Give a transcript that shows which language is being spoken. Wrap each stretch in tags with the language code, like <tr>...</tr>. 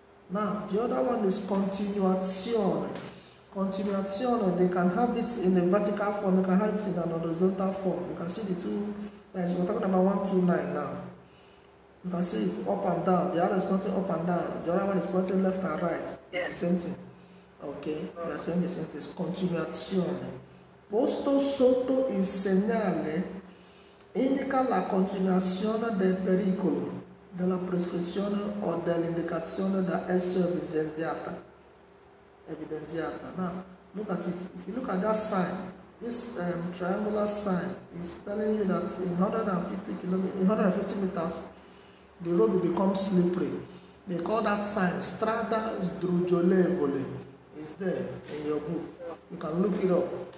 <en>Now the other one is continuazione. Continuation, or they can have it in a vertical form, you can have it in an horizontal form. You can see the two lines. We're talking about 129 now. You can see it up and down. The other is pointing up and down. The other one is pointing left and right. Yes. The same thing. Okay. We are saying the same thing. Continuation.</en> <it>Posto sotto il segnale indica la continuazione del pericolo, della prescrizione o dell'indicazione da essere evidenziata.</it> <en>Evidenziata. Now, look at it. If you look at that sign, this triangular sign is telling you that in 150 meters, the road will become slippery. They call that sign Strada Sdrugolevole. It's there in your book. You can look it up.</en>